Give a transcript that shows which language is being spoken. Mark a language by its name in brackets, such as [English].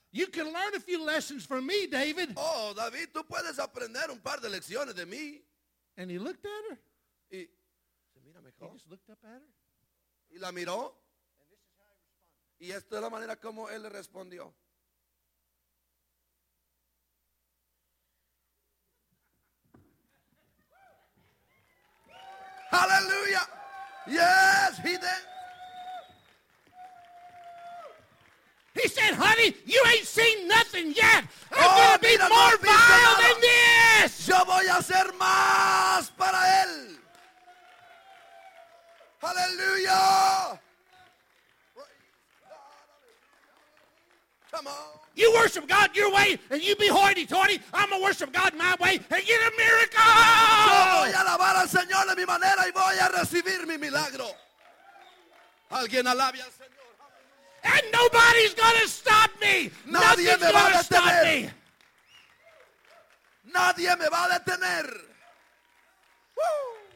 [English] You can learn a few lessons from me, David. [Spanish] Oh, David, tú puedes aprender un par de lecciones de mí. [English] And he looked at her. [Spanish] Y se mira mejor. [English] He just looked up at her. [Spanish] Y la miró. Y esto es la manera como él le respondió. [English] ¡Aleluya! ¡Yes, he did! He said, honey, you ain't seen nothing yet. I'm going to be more vile than this. [Spanish] Yo voy a hacer más para él. ¡Aleluya! [English] Come on. You worship God your way and you be hoity-toity. I'm going to worship God my way and get a miracle. [Spanish] Yo voy a alabar al Señor de mi manera y voy a recibir mi milagro. Alguien alabe al Señor. [English] And nobody's going to stop me. [Spanish] Nadie [English] Nothing's [Spanish] me va [English] gonna [Spanish] a detener. [English] Stop me. [Spanish] Nadie me va a detener. Woo.